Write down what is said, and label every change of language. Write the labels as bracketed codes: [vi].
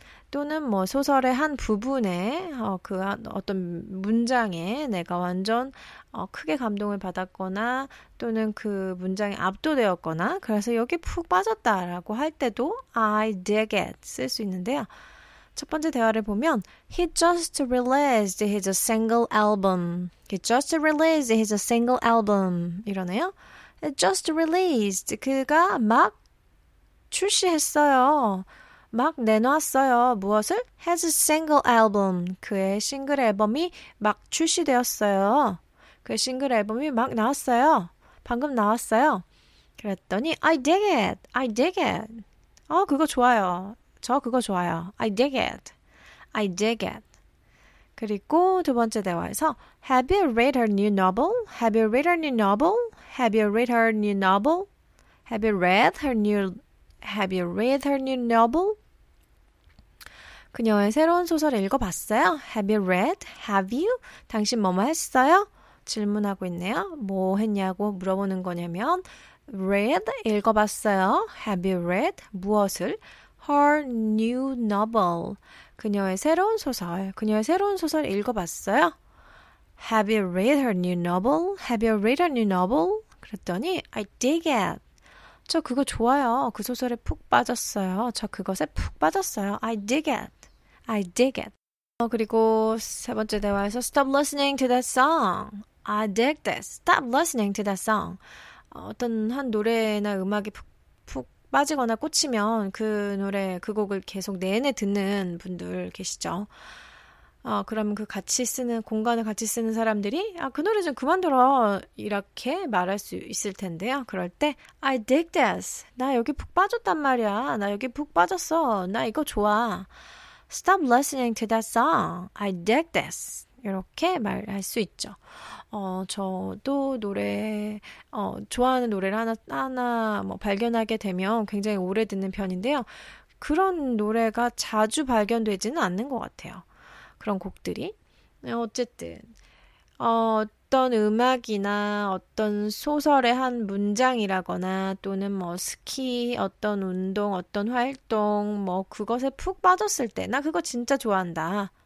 [ko] 또는 뭐 소설의 한 부분에 그 어떤 문장에 내가 완전 크게 감동을 받았거나 또는 그 문장에 압도되었거나 그래서 여기 푹 빠졌다라고 할 때도 [en] I dig it [ko] 쓸 수 있는데요. 첫 번째 대화를 보면 [en] He just released his single album. He just released his single album. [ko] 이러네요. [en] He just released. [ko] 그가 막 출시했어요. 막 내놨어요. 무엇을? [en] Has a single album. [ko] 그의 싱글 앨범이 막 출시되었어요. 그의 싱글 앨범이 막 나왔어요. 방금 나왔어요. 그랬더니 [en] I dig it. I dig it. [ko] 그거 좋아요. 저 그거 좋아요. [en] I dig it. I dig it. [ko] 그리고 두 번째 대화에서 [en] Have you read her new novel? Have you read her new novel? Have you read her new novel? Have you read her new novel? Have you read her new novel? [ko] 그녀의 새로운 소설을 읽어봤어요? [en] Have you read? Have you? [ko] 당신 뭐뭐 했어요? 질문하고 있네요. 뭐 했냐고 물어보는 거냐면 read, 읽어봤어요. [en] Have you read? [ko] 무엇을? [en] Her new novel. [ko] 그녀의 새로운 소설. 그녀의 새로운 소설을 읽어봤어요? [en] Have you read her new novel? Have you read her new novel? 그랬더니 I dig it. [ko] 저 그거 좋아요. 그 소설에 푹 빠졌어요. 저 그것에 푹 빠졌어요. [en] I dig it. I dig it. [ko] 그리고 세 번째 대화에서 [en] Stop listening to that song. I dig this. Stop listening to that song. [ko] 어떤 한 노래나 음악이 푹 빠지거나 꽂히면 그 노래, 그 곡을 계속 내내 듣는 분들 계시죠. 그러면 그 같이 쓰는, 공간을 같이 쓰는 사람들이 그 노래 좀 그만 들어 이렇게 말할 수 있을 텐데요. 그럴 때 [en] I dig this. [ko] 나 여기 푹 빠졌단 말이야. 나 여기 푹 빠졌어. 나 이거 좋아. [en] Stop listening to that song. I dig this. [ko] 이렇게 말할 수 있죠. 저도 노래, 좋아하는 노래를 하나 뭐 발견하게 되면 굉장히 오래 듣는 편인데요. 그런 노래가 자주 발견되지는 않는 것 같아요. 그런 곡들이. 어쨌든 어떤 음악이나 어떤 소설의 한 문장이라거나 또는 뭐 스키, 어떤 운동, 어떤 활동 뭐 그것에 푹 빠졌을 때 나 그거 진짜 좋아한다.